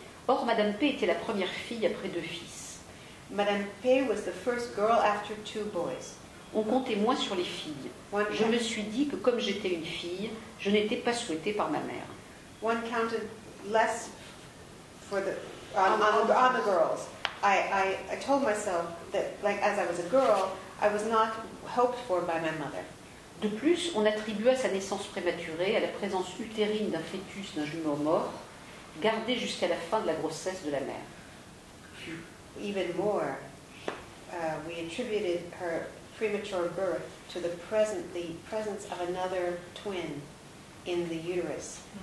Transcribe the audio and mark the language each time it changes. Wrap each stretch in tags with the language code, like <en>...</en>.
<fr>Or, Madame P était la première fille après deux fils.</fr> <en>Madame P was the first girl after two boys.</en> <fr>On comptait moins sur les filles. Je me suis dit que comme j'étais une fille, je n'étais pas souhaitée par ma mère.</fr> <en>One counted less for the on the girls. I told myself that like as I was a girl, I was not hoped for by my mother.</en> <fr>De plus, on attribua sa naissance prématurée à la présence utérine d'un fœtus d'un jumeau mort, gardé jusqu'à la fin de la grossesse de la mère.</fr> <en>Even more, we attributed her premature birth to the presence of another twin in the uterus.</en>